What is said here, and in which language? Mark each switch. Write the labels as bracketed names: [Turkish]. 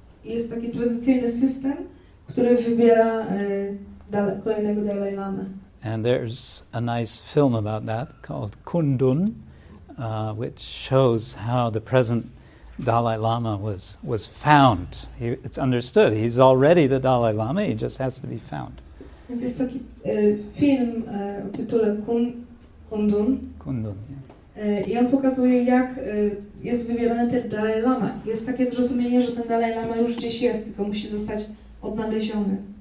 [Polish] Jest taki tradycyjny system, który wybiera kolejnego Dalai Lama. [English] And there's a nice film about that called Kundun, which shows how the present Dalai Lama was found. It's understood he's already the Dalai Lama, he just has to be found. [Polish] Więc jest taki film o tytule Kundun, [English] Kundun, yeah, [Polish] I on pokazuje, jak jest wybierany ten Dalai Lama. Jest takie zrozumienie, że ten Dalai Lama już gdzieś jest, tylko musi zostać odnaleziony.